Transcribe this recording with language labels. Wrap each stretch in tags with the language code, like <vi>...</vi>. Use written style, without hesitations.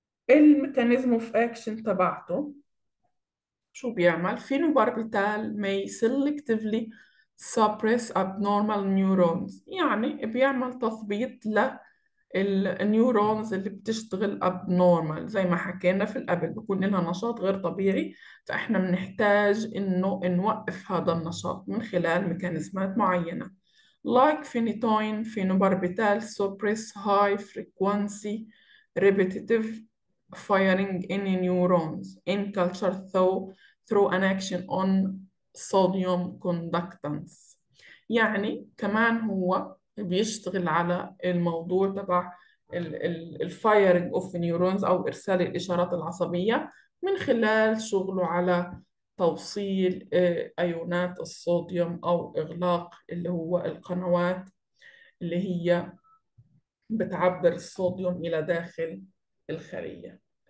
<ar>الميكانيزم</ar> <en>of action</en> <ar>تبعته شو بيعمل؟ فينوباربيتال</ar> <en>may selectively suppress abnormal neurons،</en> <ar>يعني بيعمل تثبيط للنيورونز اللي بتشتغل abnormal زي ما حكينا في قبل، بكون لها نشاط غير طبيعي، فإحنا بنحتاج إنه نوقف هذا النشاط من خلال ميكانيزمات معينة.</ar> <en>Like phenytoin, phenobarbital suppress high frequency repetitive firing in neurons in culture through an action on sodium conductance.</en> <ar>يعني كمان هو بيشتغل على الموضوع تبع الفايرنج اوف نيورونز او ارسال الاشارات العصبيه من خلال شغله على توصيل ايونات الصوديوم او اغلاق اللي هو القنوات اللي هي بتعبر الصوديوم الى داخل الخليه.</ar>